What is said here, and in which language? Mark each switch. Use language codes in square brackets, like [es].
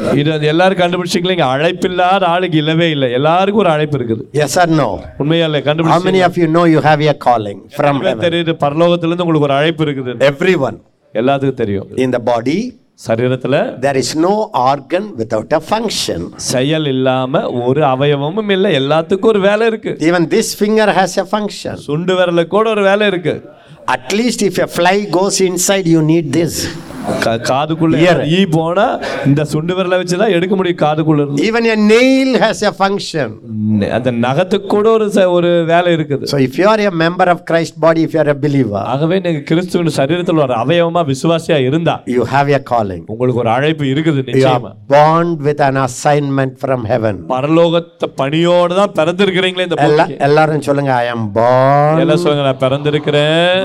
[ta] இது எல்லாரும் கண்டுபிடிச்சிங்களே அழைப்பில்லாத ஆளுக்கு இல்லவே இல்லை எல்லாருக்கும் ஒரு அழைப்பு இருக்குது. [en] Yes or no? [ta] உண்மையாலே கண்டுபிடிச்சி. [en] How many of you know you have a calling from heaven? [ta] தெரியுது பரலோகத்திலிருந்து உங்களுக்கு ஒரு அழைப்பு இருக்குது. [en] Everyone. [ta] எல்லாத்துக்கும் தெரியும். [en] In the body [ta] சரீரத்துல [en] there is no organ without a function. [ta] செயல் இல்லாம ஒரு அவயவமும் இல்ல எல்லாத்துக்கும் ஒரு வேலை இருக்கு. [en] Even this finger has a function. [ta] சுண்டு விரல கூட ஒரு வேலை இருக்கு. [en] At least if a fly goes inside you need this. [ta] காதுக்குள்ள ஈ போனா இந்த சுண்டு விரல வச்சு தான் எடுக்க முடியும் காதுக்குள்ள இருந்து. [en] Even a nail has a function. [ta] அந்த நகத்துக்கு கூட ஒரு வேலை இருக்குது. [en] So if you are a member of Christ body, if you are a believer. [ta] ஆகவே நீங்க கிறிஸ்துவின் சரீரத்துல ஒரு அவயவமா விசுவாசியா இருந்தா [en] you have a calling. [ta] உங்களுக்கு ஒரு அழைப்பு இருக்குது நிச்சயமா. [en] Born with an assignment from heaven. [ta] பரலோகத்து பணியோட தான் பிறந்திருக்கீங்களே இந்த பூமி. எல்லாரும் சொல்லுங்க [en] I am born. [ta] எல்லாரும் சொல்லுங்க நான் பிறந்திருக்கிறேன்.